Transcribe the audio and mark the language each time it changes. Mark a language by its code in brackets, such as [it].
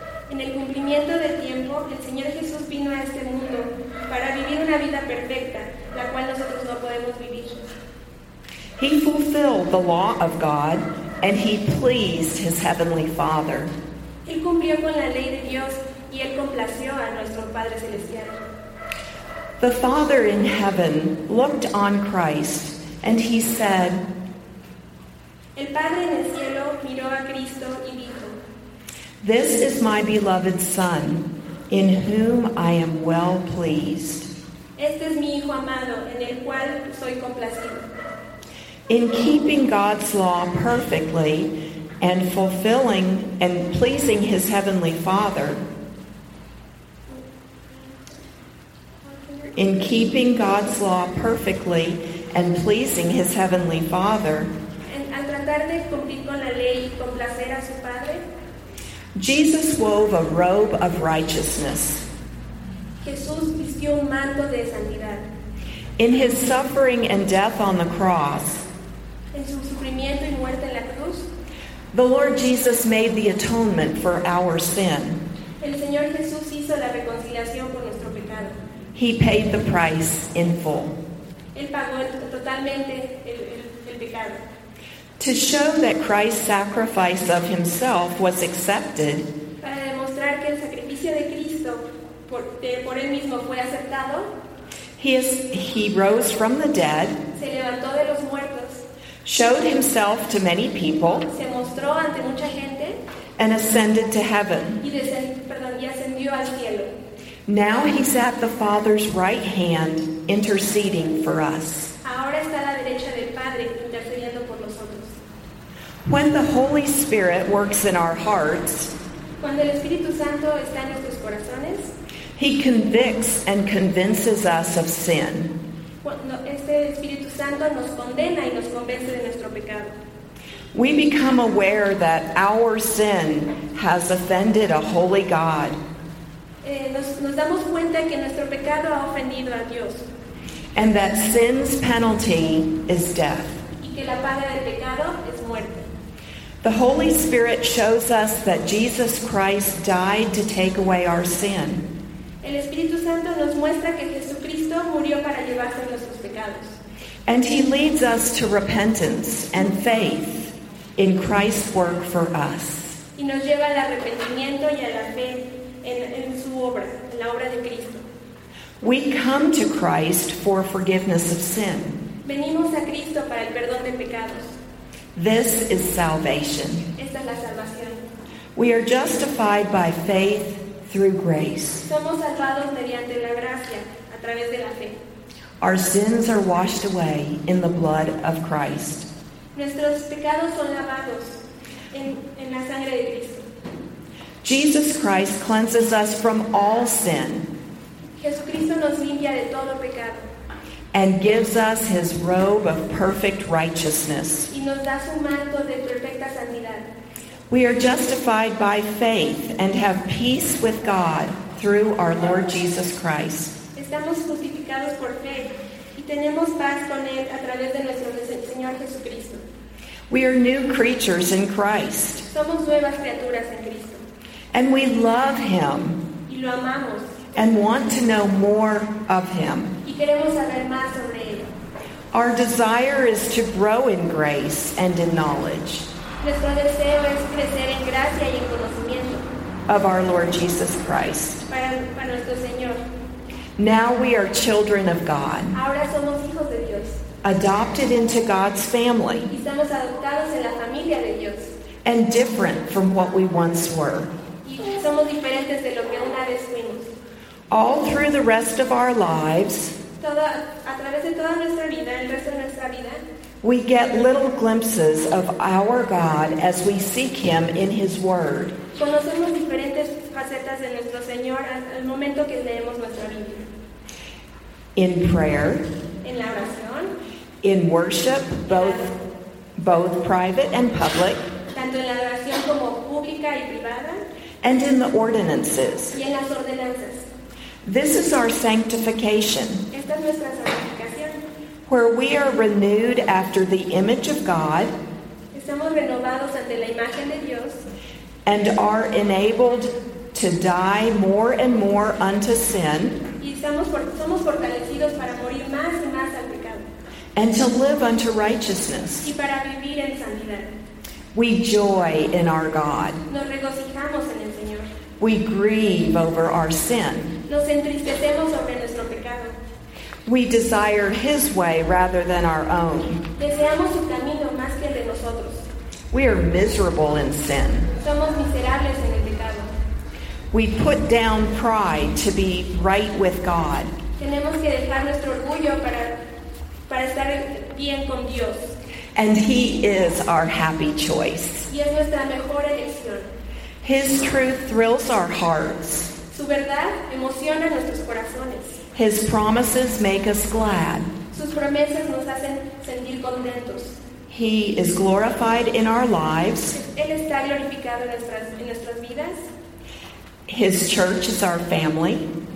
[es] En el cumplimiento del tiempo, el Señor Jesús vino a este mundo para vivir una vida perfecta, la cual nosotros no podemos vivir. [en] He fulfilled the law of God, and he pleased his heavenly Father. [es] Él cumplió con la ley de Dios y él complació a nuestro Padre celestial. [en] The Father in heaven looked on Christ, and he said, [es] El Padre en el cielo miró a Cristo y dijo, [en] This is my beloved Son, in whom I am well pleased. [es] Este es mi hijo amado, en el cual soy complacido. [en] In keeping God's law perfectly and fulfilling and pleasing his heavenly Father, in keeping God's law perfectly and pleasing his heavenly Father, [es] al tratar de cumplir con la ley y complacer a su padre, [en] Jesus wove a robe of righteousness. [es] Jesús vistió un manto de santidad. [en] In his suffering and death on the cross, [es] en su sufrimiento y muerte en la cruz, [en] the Lord Jesus made the atonement for our sin. [es] El Señor Jesús hizo la reconciliación por nuestro pecado. [en] He paid the price in full. [es] Él pagó totalmente el pecado. [en] To show that Christ's sacrifice of himself was accepted, [es] para demostrar que el sacrificio de Cristo por él mismo fue aceptado, [en] he rose from the dead, [es] se levantó de los muertos, [en] showed himself to many people, [es] se mostró ante mucha gente, [en] and ascended to heaven. [es] Y ascendió al cielo. [en] Now he's at the Father's right hand, interceding for us. [es] Ahora está a la derecha del Padre, intercediendo por nosotros. [en] When the Holy Spirit works in our hearts, [es] cuando el Espíritu Santo está en nuestros corazones, [en] he convicts and convinces us of sin. [es] Este Espíritu Santo nos condena y nos convence de nuestro pecado. [en] We become aware that our sin has offended a holy God. [es] Nos damos cuenta que nuestro pecado ha ofendido a Dios. [en] And that sin's penalty is death. [es] Y que la paga del pecado es muerte. [en] The Holy Spirit shows us that Jesus Christ died to take away our sin. [es] El Espíritu Santo nos muestra que Jesucristo murió para llevarse nuestros pecados. [en] And he leads us to repentance and faith in Christ's work for us. [es] Y nos lleva al arrepentimiento y a la fe. En su obra, en la obra de Cristo. [en] We come to Christ for forgiveness of sin. [es] Venimos a Cristo para el perdón de pecados. [en] This is salvation. [es] Esta es la salvación. [en] We are justified by faith through grace. [es] Somos salvados mediante la gracia, a través de la fe. [en] Our sins are washed away in the blood of Christ. [es] Nuestros pecados son lavados en la sangre de Cristo. [en] Jesus Christ cleanses us from all sin. [es] Jesucristo nos limpia de todo pecado. [en] And gives us his robe of perfect righteousness. [es] Y nos da su manto de perfecta santidad. [en] We are justified by faith and have peace with God through our Lord Jesus Christ. [es] Estamos justificados por fe y tenemos paz con él a través de nuestro Señor Jesucristo. [en] We are new creatures in Christ. [es] Somos nuevas criaturas en Cristo. [en] And we love him [es] y lo amamos, [en] and want to know more of him. [es] Y queremos saber más sobre él. [en] Our desire is to grow in grace and in knowledge. [es] Nuestro deseo es crecer en gracia y en conocimiento [en] of our Lord Jesus Christ. [es] Para nuestro Señor. [en] Now we are children of God. [es] Ahora somos hijos de Dios. [en] Adopted into God's family. [es] Y estamos adoptados en la familia de Dios. [en] And different from what we once were. [es] Somos diferentes de lo que una vez fuimos. [en] All through the rest of our lives, [es] a través de toda nuestra vida, el resto de nuestra vida, [en] we get little glimpses of our God as we seek him in his word. [es] Conocemos diferentes facetas de nuestro Señor al momento que leemos nuestra Biblia. [en] In prayer, [es] en la oración, [en] in worship, both private and public, [es] tanto en la adoración como pública y privada, [en] and in the ordinances. [es] Y en las ordenanzas. [en] This is our sanctification. [es] Esta es nuestra santificación. [en] where we are renewed after the image of God, [es] estamos renovados ante la imagen de Dios, [en] and are enabled to die more and more unto sin, [es] y somos fortalecidos para morir más y más al pecado, [en] and to live unto righteousness. [es] Y para vivir en santidad. [en] We joy in our God. [es] Nos regocijamos en el Señor. [en] We grieve over our sin. [es] Nos entristecemos sobre nuestro pecado. [en] We desire His way rather than our own. [es] Deseamos su camino más que el de nosotros. [en] We are miserable in sin. [es] Somos miserables en el pecado. [en] We put down pride to be right with God. [es] Tenemos que dejar nuestro orgullo para estar bien con Dios. [en] And He is our happy choice. [es] Y es nuestra mejor elección. [en] His truth thrills our hearts. [es] Su verdad emociona nuestros corazones. [en] His promises make us glad. [es] Sus promesas nos hacen sentir contentos. [en] He is glorified in our lives. [es] Él está glorificado en nuestras vidas. [en] His church is our family.